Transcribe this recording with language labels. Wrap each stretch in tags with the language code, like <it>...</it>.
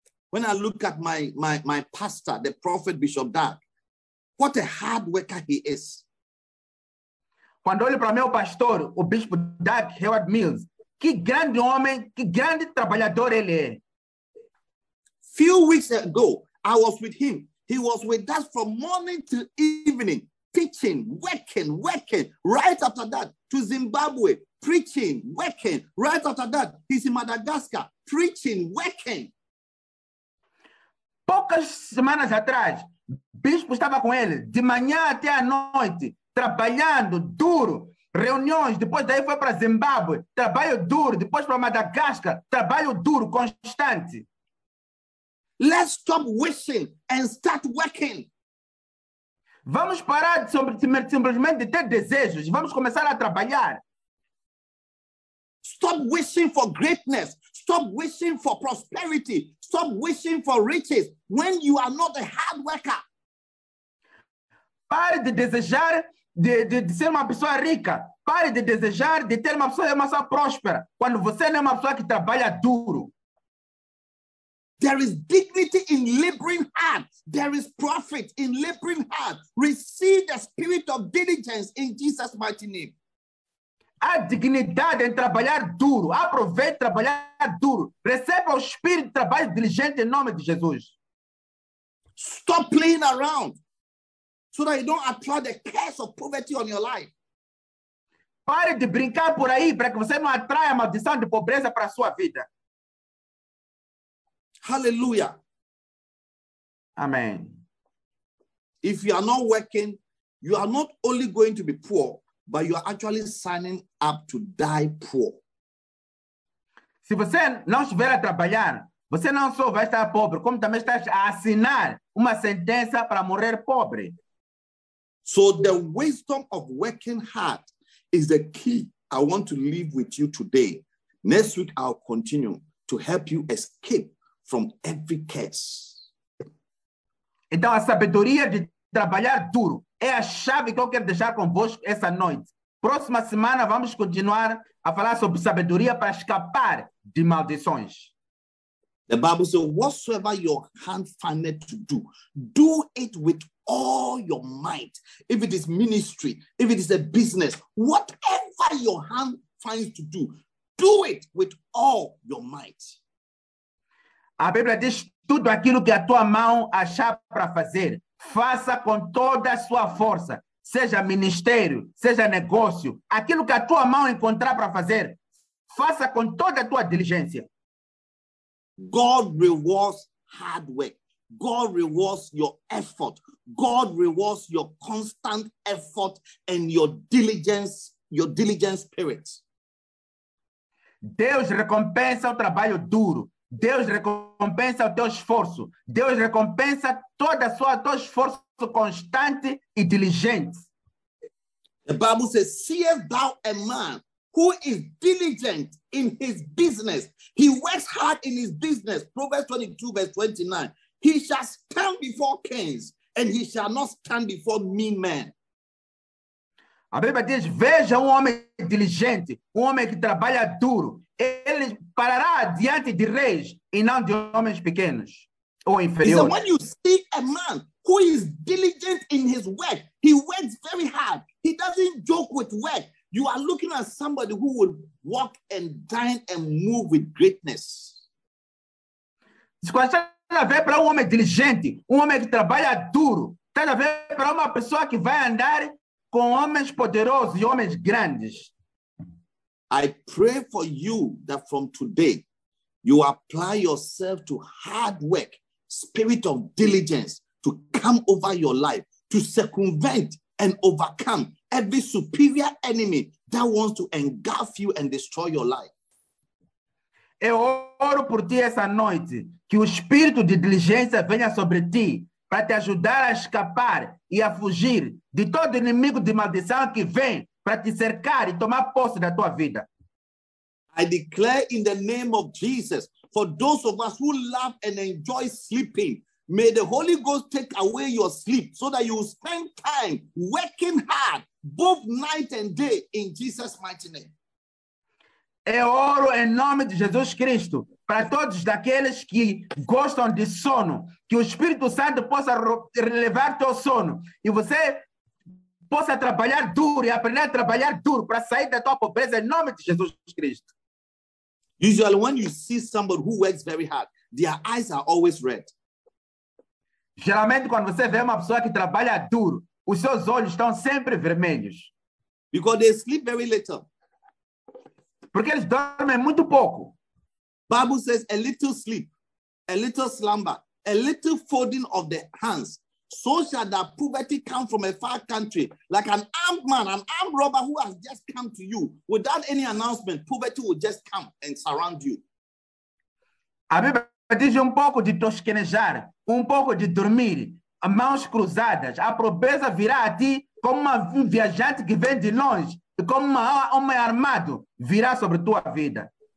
<en>When I look at my pastor, the prophet Bishop Dark, what a hard worker he is.</en> <pt>Quando olho para meu pastor, o Bispo Dark Howard Mills, que grande homem, que grande trabalhador ele é.</pt> <en>Few weeks ago, I was with him. He was with us from morning to evening, teaching, working, right after that, to Zimbabwe, preaching, working, right after that, he's in Madagascar, preaching, working.</en> <pt>Poucas semanas atrás, Bispo estava com ele, de manhã até à noite, trabalhando duro, reuniões, depois daí foi para Zimbabwe, trabalho duro, depois para Madagascar, trabalho duro, constante.</pt> <en>Let's stop wishing and start working.</en> <pt>Vamos parar simplesmente de ter desejos. Vamos começar a trabalhar.</pt> <en>Stop wishing for greatness. Stop wishing for prosperity. Stop wishing for riches when you are not a hard worker.</en> <pt>Pare de desejar de ser uma pessoa rica. Pare de desejar de ter uma pessoa próspera. Quando você não é uma pessoa que trabalha duro.</pt> <en>There is dignity in laboring hard. There is profit in laboring hard. Receive the spirit of diligence in Jesus' mighty name.</en> <pt>Há dignidade em trabalhar duro. Aproveite trabalhar duro. Receba o espírito de trabalho diligente em nome de Jesus.</pt> <en>Stop playing around so that you don't apply the curse of poverty on your life.</en> <pt>Pare de brincar por aí para que você não atraia a maldição de pobreza para a sua vida. Hallelujah. Amen.</pt> <en>If you are not working, you are not only going to be poor, but you are actually signing up to die poor.</en> <pt>Se você não estiver a trabalhar, você não só vai estar pobre, como também estás a assinar uma sentença para morrer pobre.</pt> <en>So the wisdom of working hard is the key I want to leave with you today. Next week, I'll continue to help you escape from every curse.</en> <pt>Então, a sabedoria de trabalhar duro é a chave que eu quero deixar convosco essa noite. Próxima semana vamos continuar a falar sobre sabedoria para escapar de maldições.</pt> <en>The Bible says, whatsoever your hand findeth to do, do it with all your might. If it is ministry, if it is a business, whatever your hand finds to do, do it with all your might.</en> <pt>A Bíblia diz, tudo aquilo que a tua mão achar para fazer, faça com toda a sua força, seja ministério, seja negócio, aquilo que a tua mão encontrar para fazer, faça com toda a tua diligência.</pt> <en>God rewards hard work. God rewards your effort. God rewards your constant effort and your diligence spirit.</en> <pt>Deus recompensa o trabalho duro. Deus recompensa o teu esforço. Deus recompensa todo o teu esforço constante e diligente.</pt> <en>The Bible says, seest thou a man who is diligent in his business? He works hard in his business. Proverbs 22, verse 29. He shall stand before kings, and he shall not stand before mean men.</en> <pt>A Bíblia diz, veja homem diligente, homem que trabalha duro. Ele parará diante de reis e não de homens pequenos ou inferiores.</pt> <en>When you see a man who is diligent in his work, he works very hard. He doesn't joke with work. You are looking at somebody who will walk and dine and move with greatness.</en> <pt>Se você está a ver para homem diligente, homem que trabalha duro, está a ver para uma pessoa que vai andar com homens poderosos e homens grandes.</pt> <en>I pray for you that from today, you apply yourself to hard work, spirit of diligence, to come over your life, to circumvent and overcome every superior enemy that wants to engulf you and destroy your life.</en> <pt>Eu oro por ti essa noite, que o espírito de diligência venha sobre ti, para te ajudar a escapar e a fugir de todo inimigo de maldição que vem para te cercar e tomar posse da tua vida.</pt> <en>I declare in the name of Jesus, for those of us who love and enjoy sleeping, may the Holy Ghost take away your sleep so that you spend time working hard, both night and day, in Jesus' mighty name.</en> <pt>Eu oro em nome de Jesus Cristo, para todos daqueles que gostam de sono, que o Espírito Santo possa levar teu sono e você possa trabalhar duro e aprender a trabalhar duro para sair da tua pobreza em nome de Jesus Cristo.</pt> <en>Usually when you see somebody who works very hard, their eyes are always red.</en> <pt>Geralmente quando você vê uma pessoa que trabalha duro, os seus olhos estão sempre vermelhos.</pt> <en>Because they sleep very little.</en> <pt>Porque eles dormem muito pouco.</pt> <en>Bible says a little sleep, a little slumber, a little folding of the hands, so shall that poverty come from a far country, like an armed man, an armed robber who has just come to you. Without any announcement, poverty will just come and surround you.</en> <pt>A Bíblia diz um pouco de tosquenejar, um pouco de dormir, mãos cruzadas. A pobreza virá a ti como um viajante que vem de longe, e como um homem armado virá sobre tua vida.</pt>